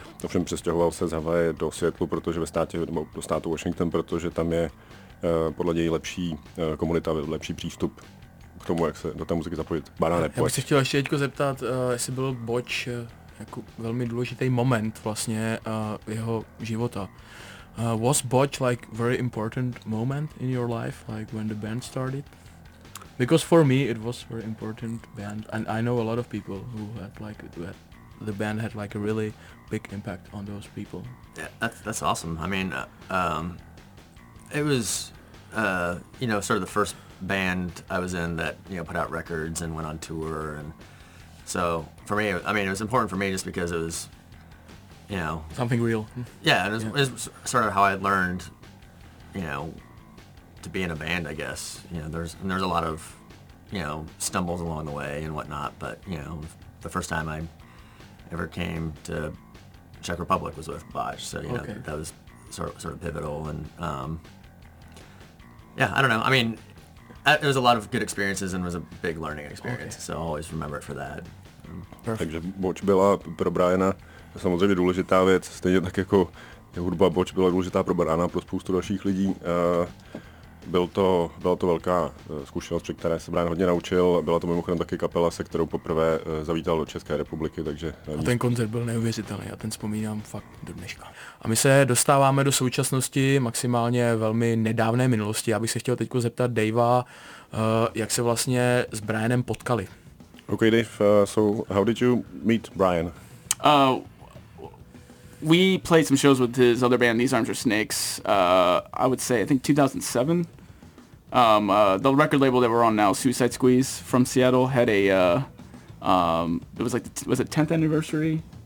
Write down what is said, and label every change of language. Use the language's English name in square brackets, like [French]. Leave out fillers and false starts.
[Czech] Ovšem přestěhoval se z Havaje do Seattlu, protože do státu Washington, protože tam je podle něj lepší komunita, lepší přístup k tomu, jak se do té muziky zapojit. Banane, pojď. Já bych se chtěl ještě teďko zeptat, jestli byl Boč jako velmi důležitý moment vlastně jeho života. [English] Was Botch like very important moment in your life, like when the band started? Because for me it was very important band, and I know a lot of people who had like that. The band had like a really big impact on those people. Yeah, that's awesome. I mean, it was you know, sort of the first band I was in that, you know, put out records and went on tour, and so for me, I mean, it was important for me just because it was, you know, something real. Yeah, and it was sort of how I learned, you know, to be in a band, I guess. You know, there's a lot of, you know, stumbles along the way and whatnot, but, you know, the first time I ever came to Czech Republic was with Botch, so, you know, that was sort of pivotal, and, yeah, I don't know. I mean, it was a lot of good experiences and was a big learning experience, so I'll always remember it for that. Perfect. [Czech] Takže Botch byla pro Briana samozřejmě důležitá věc, stejně tak jako hudba Botch byla důležitá pro Briana, pro spoustu dalších lidí. Byla to velká zkušenost, při které se Brian hodně naučil. Byla to mimochodem taky kapela, se kterou poprvé zavítal do České republiky, takže... A ten koncert byl neuvěřitelný, já ten vzpomínám fakt do dneška. A my se dostáváme do současnosti, maximálně velmi nedávné minulosti. Já bych se chtěl teď zeptat Davea, jak se vlastně s Brianem potkali. [English] OK, Dave, so how did you meet Brian? We played some shows with his other band, These Arms Are Snakes, I would say, I think 2007. The record label that we're on now, Suicide Squeeze from Seattle, had a, it was like, was it 10th anniversary?